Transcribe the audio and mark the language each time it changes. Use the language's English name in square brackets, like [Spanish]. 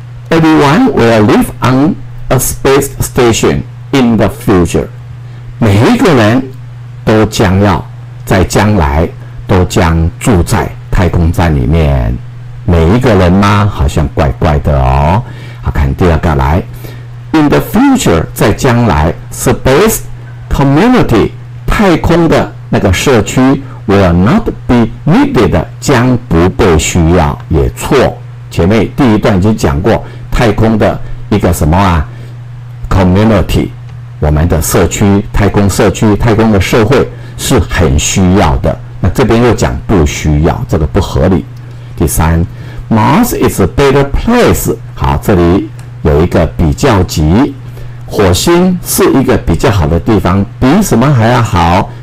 [English] Everyone will live on a space stationIn the future， [Chinese] 每一个人都将要在将来都将住在太空站里面。每一个人吗？好像怪怪的哦。好，看第二个来。 [English] In the future， [Chinese] 在将来 ， [English] space community [Chinese] 太空的那个社区 [English] will not be needed， [Chinese] 将不被需要。也错，前面第一段已经讲过太空的一个什么啊 community。我们的社区，太空社区，太空的社会是很需要的，那这边又讲不需要，这个不合理。第三， [English] Mars is a better place， [Chinese] 好，这里有一个比较级，火星是一个比较好的地方，比什么还要好？